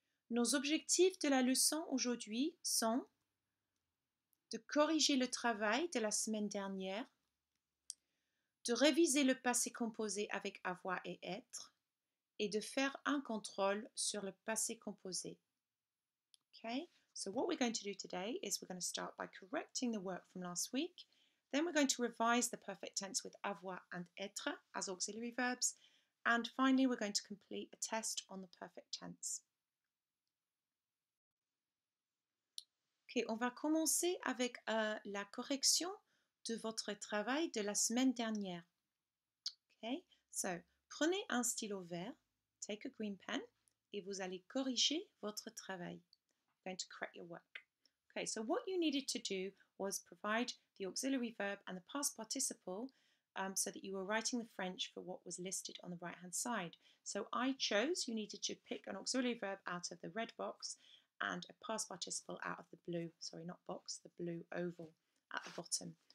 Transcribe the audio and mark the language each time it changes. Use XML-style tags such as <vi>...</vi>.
<fr>Nos objectifs de la leçon aujourd'hui sont de corriger le travail de la semaine dernière, de réviser le passé composé avec avoir et être, et de faire un contrôle sur le passé composé.</fr> <en>Okay, so what we're going to do today is we're going to start by correcting the work from last week, then we're going to revise the perfect tense with avoir and être as auxiliary verbs, and finally we're going to complete a test on the perfect tense.</en> <fr>Okay, on va commencer avec la correction de votre travail de la semaine dernière.</fr> <en>Okay, so,</en> <fr>prenez un stylo vert,</fr> <en>take a green pen,</en> <fr>et vous allez corriger votre travail.</fr> <en>You're going to correct your work. Okay, so what you needed to do was provide the auxiliary verb and the past participle so that you were writing the French for what was listed on the right-hand side. So I chose, you needed to pick an auxiliary verb out of the red box, and a past participle out of the blue, sorry, not box, the blue oval at the bottom.</en>